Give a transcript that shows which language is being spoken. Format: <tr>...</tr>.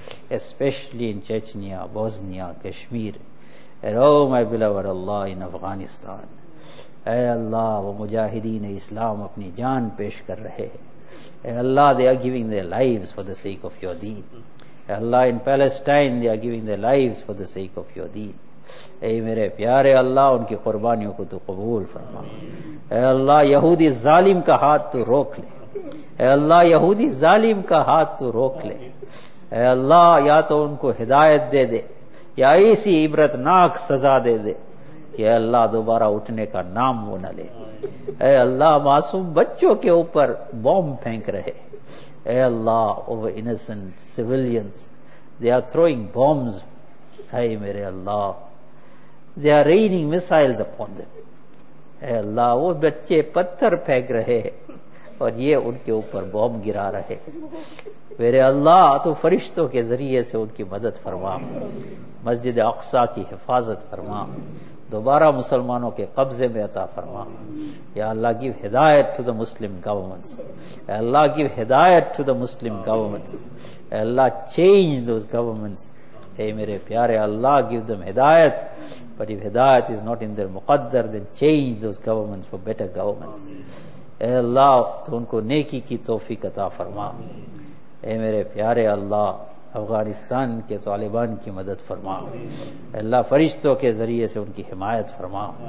<en>Especially in Chechnya, Bosnia, Kashmir. And oh my beloved Allah, in Afghanistan.</en> <ur>Ay Allah, wo mujahideen Islam apni jaan pesh kar rahe hai.</ur> <en>Ay Allah, they are giving their lives for the sake of your deen. Ay Allah, in Palestine, they are giving their lives for the sake of your deen.</en> <ur>اے میرے پیارے اللہ ان کی قربانیوں کو تو قبول فرما. اے اللہ یہودی ظالم کا ہاتھ تو روک لے. اے اللہ یہودی ظالم کا ہاتھ تو روک لے. اے اللہ یا تو ان کو ہدایت دے دے یا ایسی عبرتناک سزا دے دے کہ اے اللہ دوبارہ اٹھنے کا نام وہ نہ لے. اے اللہ معصوم بچوں کے اوپر بوم پھینک رہے. اے اللہ</ur> <en>over innocent civilians they are throwing bombs.</en> <ur>اے میرے اللہ</ur> <en>they are raining missiles upon them.</en> <ur>اے اللہ وہ بچے پتھر پھینک رہے ہیں اور یہ ان کے اوپر بوم گرا رہے ہیں. میرے اللہ تو فرشتوں کے ذریعے سے ان کی مدد فرما, مسجد اقصا کی حفاظت فرما, دوبارہ مسلمانوں کے قبضے میں عطا فرما. یا اللہ</ur> <en>give ہدایت to the Muslim governments.</en> <ur>A Allah</ur> <en>give ہدایت to the Muslim governments.</en> <ur>A Allah</ur> <en>change those governments.</en> <ur>اے میرے پیارے اللہ</ur> <en>give them</en> <ur>ہدایت.</ur> <en>But if ہدایت is not in their مقدر then change those governments for better governments.</en> <ur>اے اللہ تو ان کو نیکی کی توفیق عطا فرما. اے میرے پیارے اللہ افغانستان کے طالبان کی مدد فرما. اے اللہ فرشتوں کے ذریعے سے ان کی حمایت فرما.</ur>